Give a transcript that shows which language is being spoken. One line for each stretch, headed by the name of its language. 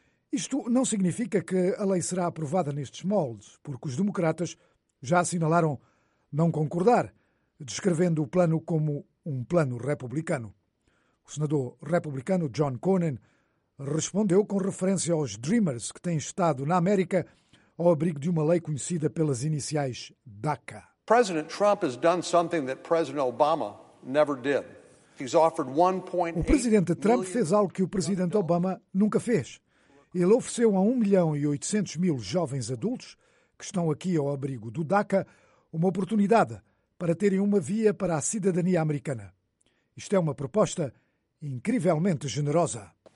Portuguese: Isto não significa que a lei será aprovada nestes moldes, porque os democratas já assinalaram não concordar, descrevendo o plano como um plano republicano. O senador republicano John Cornyn respondeu com referência aos Dreamers que têm estado na América ao abrigo de uma lei conhecida pelas iniciais DACA.
English: President Trump has done something that President Obama never did. He's offered 1.8.
Portuguese: O presidente Trump fez algo que o presidente Obama nunca fez. Ele ofereceu a 1 milhão e 800 mil jovens adultos que estão aqui ao abrigo do DACA, uma oportunidade para terem uma via para a cidadania americana. Isto é uma proposta incrivelmente generosa.